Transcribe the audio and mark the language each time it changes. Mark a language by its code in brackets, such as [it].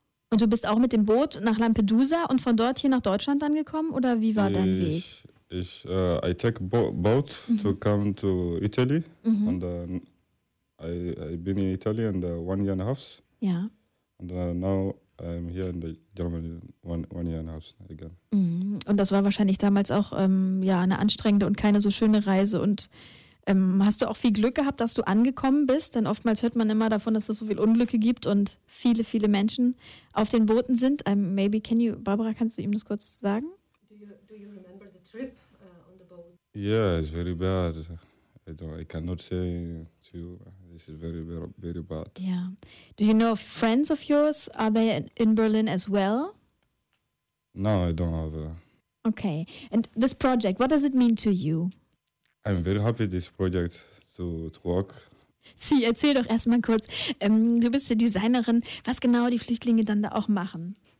[de] Und du bist auch mit dem Boot nach Lampedusa und von dort hier nach Deutschland angekommen? Oder wie war dein Weg? [en] I take boat to come to Italy. Mhm. And I been in Italy and 1.5 years. [de] Ja. [en] And now I'm here in the Germany one year and a half again. Mm. [de] Und das war wahrscheinlich damals auch eine anstrengende und keine so schöne Reise. Und hast du auch viel Glück gehabt, dass du angekommen bist? Denn oftmals hört man immer davon, dass es so viel Unglücke gibt und viele, viele Menschen auf den Booten sind. Barbara, kannst du ihm das kurz sagen? [en] Do you remember the trip on the boat? Yeah, it's very bad. I cannot say to you. This is very, very, very bad. Yeah. Do you know friends of yours? Are they in Berlin as well? No, I don't have. Okay. And this project, what does it mean to you? I'm very happy this project to work. [de] Sie, erzähl doch erstmal kurz. Du bist die Designerin. Was genau die Flüchtlinge dann da auch machen?